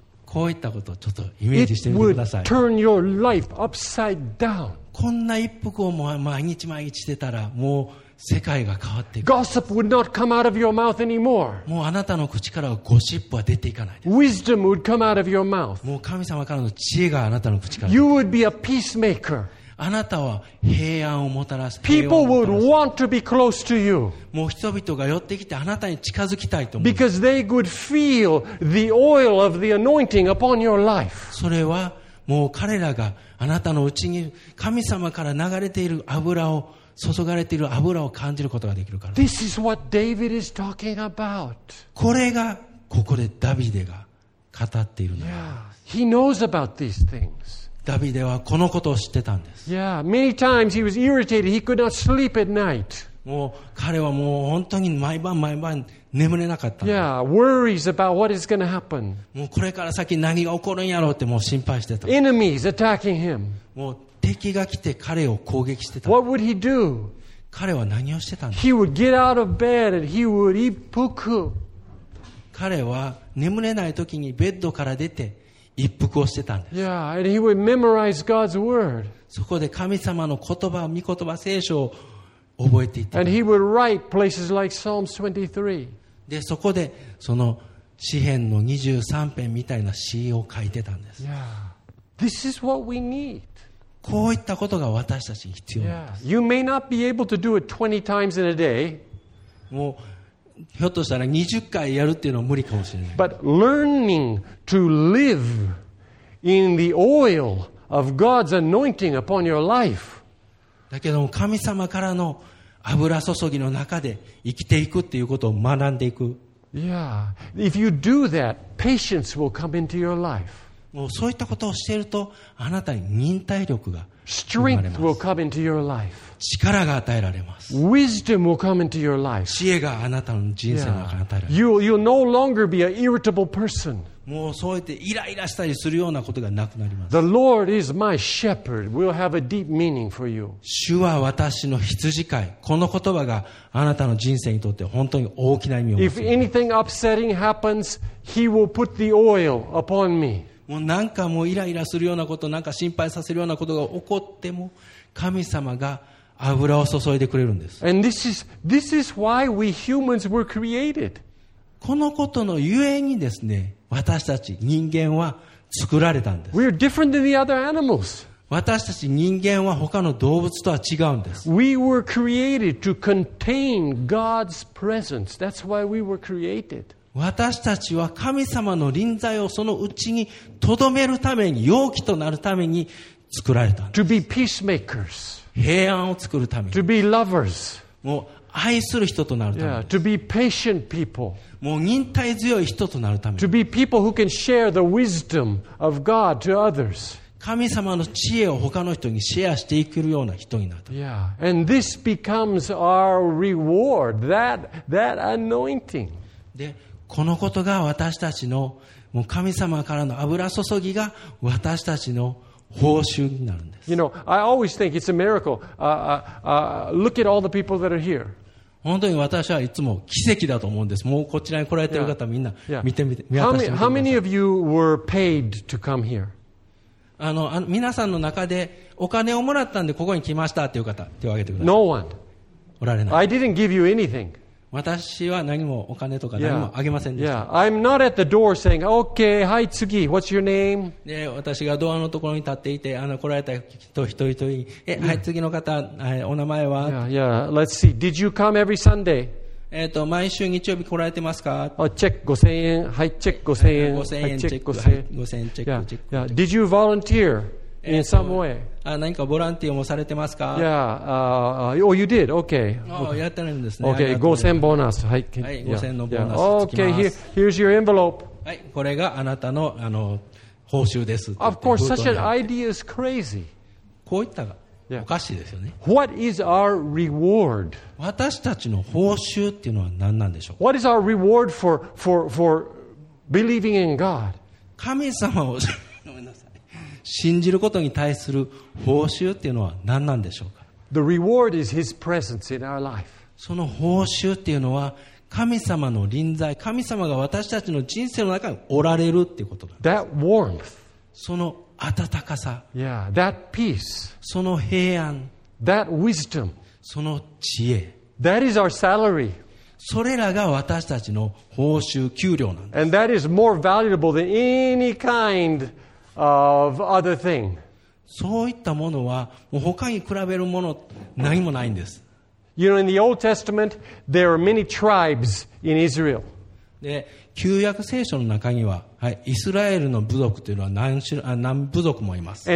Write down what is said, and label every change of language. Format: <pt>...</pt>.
<ja>こういったことをちょっとイメージしてみてください。</ja> <en>It would turn your life upside down.</en> <ja>こんな一服を毎日毎日してたらもう世界が変わっていく。</ja> <en>Gossip would not come out of your mouth anymore.</en> <ja>もうあなたの口からはゴシップは出ていかない。</ja> <en>Wisdom would come out of your mouth.</en> <ja>もう神様からの知恵があなたの口から。</ja> <en>You would be a peacemaker.</en> <ja>あなたは平安をもたらす。</ja> <en>People would want to be close to you.</en> <ja>もう人々が寄ってきてあなたに近づきたいと思う。</ja> <en>Because they would feel the oil of the anointing upon your life.</en> <ja>それはもう彼らがあなたのうちに神様から流れている油を注がれている油を感じることができるから。</ja> <en>This is what David is talking about.</en> <ja>これがここでダビデが語っているのだ。</ja> <en>Yeah, he knows about these things.</en> <ja>ダビデはこのことを知ってたんです。</ja> <en>Yeah, many times he was irritated. He could not sleep at night.</en> <ja>もう彼はもう本当に毎晩毎晩眠れなかった。</ja> <en>Yeah, worries about what is going to happen.</en> <ja>もうこれから先何が起こるんやろうってもう心配してた。</ja> <en>Enemies attacking him.</en> <ja>もう敵が来て彼を攻撃してた。</ja> <en>What would he do?</en> <ja>彼は何をしてたんですか。</ja> <en>He would get out of bed and he would 一服。</en> <ja>彼は眠れない時にベッドから出て。一服をしてたんです。</ja> <en>Yeah, and he would memorize God's word.</en> <ja>そこで神様の言葉、御言葉、聖書を覚えていた。</ja> <en>And he would write places like Psalms 23.</en> <ja>で、そこでその詩編の23編みたいな詩を書いてたんです。</ja> <en>Yeah, this is what we need.</en> <ja>こういったことが私たちに必要なんです。</ja> <en>Yeah, you may not be able to do it 20 times in a day.</en> <ja>もうひょっとしたら20回やるっていうのは無理かもしれない。</ja> <en>But learning to live in the oil of God's anointing upon your life.</en> <ja>だけども神様からの油注ぎの中で生きていくっていうことを学んでいく。</ja> <en>Yeah, if you do that, patience will come into your life.</en> <ja>もうそういったことをしているとあなたに忍耐力が生まれます。</ja> <en>Strength will come into your life.</en> <ja>力が与えられます。</ja> <en>Wisdom will come into your life.</en> <ja>知恵があなたの人生の中に与えられます。</ja> <en>Yeah. You'll no longer be an irritable person.</en> <ja>もうそうやってイライラしたりするようなことがなくなります。</ja> <en>The Lord is my shepherd. We'll have a deep meaning for you.</en> <ja>主は私の羊飼い。この言葉があなたの人生にとって本当に大きな意味を持つ。</ja> <en>If anything upsetting happens, He will put the oil upon me.</en> <ja>もうなんかもうイライラするようなこと、なんか心配させるようなことが起こっても、神様が油を注いでくれるんです。</ja> <en>And this is why we humans were created.</en> <ja>このことのゆえにですね、私たち人間は作られたんです。</ja> <en>We're different than the other animals.</en> <ja>私たち人間は他の動物とは違うんです。</ja> <en>We were created to contain God's presence. That's why we were created.</en> <ja>私たちは神様の臨在をそのうちに留めるために、容器となるために作られたんです。</ja> <en>To be peacemakers.</en> <ja>平安を作るために。</ja> <en>To be lovers.</en> <ja>もう愛する人となるために。</ja> <en>Yeah, to be patient people.</en> <ja>もう忍耐強い人となるために。</ja> <en>To be people who can share the wisdom of God to others.</en> <ja>神様の知恵を他の人にシェアしていけるような人になるために</ja> <en>。 Yeah. And this becomes our reward, that anointing.</en> <ja>で、このことが私たちの、もう神様からの油注ぎが私たちの報酬になるんです。</ja> <en>You know, I always think it's a miracle. Look at all the people that are here.</en> <ja>本当に私はいつも奇跡だと思うんです。もうこちらに来られてる方みんな見てみて、見渡してください。</ja> <en>How many of you were paid to come here?</en> <ja>あの皆さんの中でお金をもらったんでここに来ましたっていう方手を挙げてください。</ja> <en>No one.</en> <ja>おられない。</ja> <en>I didn't give you anything.</en> <ja>私は何もお金とか何もあげませんでした。</ja> <en>Yeah. Yeah. I'm not at the door saying, okay, hi,</en> <ja>次,</ja> <en>what's your name?</en> <ja>で、私がドアのところに立っていて、来られた人一人一人、はい、次の方、お名前は？</ja> <en>Yeah, yeah, let's see. Did you come every Sunday?</en> <ja>毎週日曜日来られてますか？あ、チェック5000円。はい、チェック5000円。 5000円、はい、チェック5000円。はい、5000円、チェック、チェック。</ja> <en>Yeah. Did you volunteer? In some way.</en> <ja>何かボランティアもされてますか？</ja> <en>Yeah. Oh, you did. Okay.</en> <ja>Oh, やってるんですね。 Okay. 5000ボーナス。はい。5000のボーナスつきます。Yeah.</ja> <en>Okay. Here's your envelope.</en> <ja>はい。これがあなたの報酬です。</ja> <en>Of course, such an idea is crazy.</en> <ja>こういったがおかしいですよね。</ja> <en>Yeah. What is our reward?</en> <ja>私たちの報酬っていうのは何なんでしょう？</ja> <en>What is our reward for believing in God?</en> <ja>神様を信じることに対する報酬っていうのは何なんでしょうか。</ja> <en>The reward is his presence in our life.</en> <ja>その報酬っていうのは神様の臨在、神様が私たちの人生の中におられるっていうことなんです。</ja> <en>That warmth.</en> <ja>その温かさ。</ja> <en>Yeah, that peace.</en> <ja>その平安。</ja> <en>That wisdom.</en> <ja>その知恵。</ja> <en>That is our salary.</en> <ja>それらが私たちの報酬、給料なんです。</ja> <en>And that is more valuable than any kindOf other thing.</en> <ja>そういったものはもう他に比べるもの何もないんです。</ja> <en>You know, in the Old Testament, there are many tribes in Israel.</en> <ja>で、旧約聖書の中には、はい、イスラエルの部族というのは 何部族もいます。</ja>